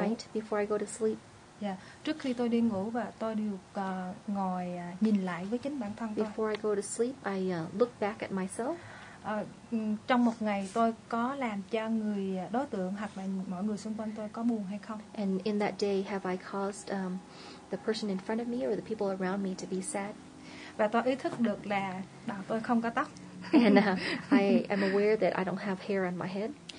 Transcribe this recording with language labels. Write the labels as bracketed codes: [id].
[en] night before I go to sleep. [vi] Yeah, trước khi tôi đi ngủ và tôi đều ngồi nhìn lại với chính bản thân tôi. [en] Before I go to sleep, I look back at myself. [vi] Trong một ngày tôi có làm cho người đối tượng hoặc là mọi người xung quanh tôi có buồn hay không? [en] And in that day have I caused the person in front of me or the people around me to be sad? [vi] Và tôi ý thức được là đầu tôi không có tóc. [en] And I am aware that I don't have hair on my head.